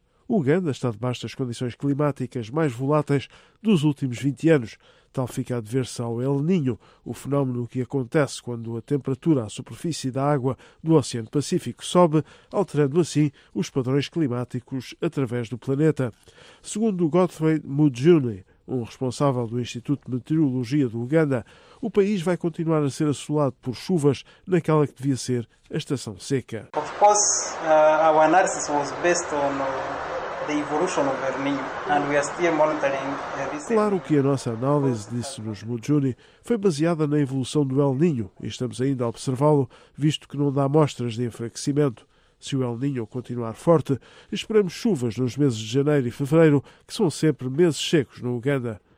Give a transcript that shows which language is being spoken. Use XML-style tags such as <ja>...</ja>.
<pt>O Uganda está debaixo das condições climáticas mais voláteis dos últimos 20 anos, tal fica a dever-se ao El Niño, o fenómeno que acontece quando a temperatura à superfície da água do Oceano Pacífico sobe, alterando assim os padrões climáticos através do planeta. Segundo Godfrey Mujuni, um responsável do Instituto de Meteorologia do Uganda, o país vai continuar a ser assolado por chuvas naquela que devia ser a estação seca.</pt> <en>Of course, our analysis was based on the evolution of El Niño, and we are still monitoring this.</en> <pt>Claro que a nossa análise, disse-nos Mujuni, foi baseada na evolução do El Niño e estamos ainda a observá-lo, visto que não dá mostras de enfraquecimento. Se o El Niño continuar forte, esperamos chuvas nos meses de janeiro e fevereiro, que são sempre meses secos no Uganda.</pt>